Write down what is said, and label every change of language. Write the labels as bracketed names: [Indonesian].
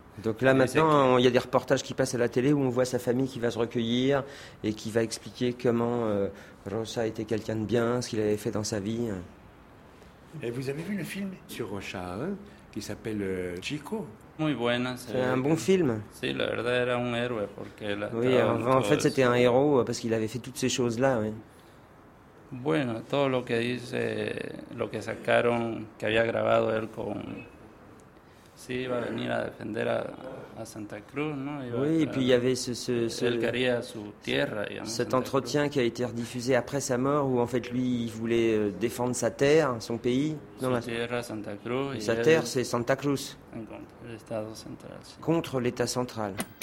[French] Donc là, maintenant, il y a des reportages qui passent à la télé où on voit sa famille qui va se recueillir et qui va expliquer comment Rocha était quelqu'un de bien, ce qu'il avait fait dans sa vie. Et vous avez vu le film sur Rocha, hein, qui s'appelle Chico? [Spanish] Muy buena, [French] c'est un bon film. [Spanish] Sí, la verdad era un héroe porque la [French] oui, en fait, c'était un héros parce qu'il avait fait toutes ces choses-là. Oui. [Spanish] Bueno, todo lo que dice, lo que sacaron, que había grabado él con... Sí, va a venir a defender a Santa Cruz, ¿no? Iba [French] oui, [Spanish] a... [French] et puis il y avait ce [Spanish] él quería su tierra, digamos, [French] cet entretien qui a été rediffusé après sa mort où en fait lui il voulait défendre sa terre, son pays. Dans la tierra, Santa Cruz, sa terre, c'est Santa Cruz. Contre l'État central.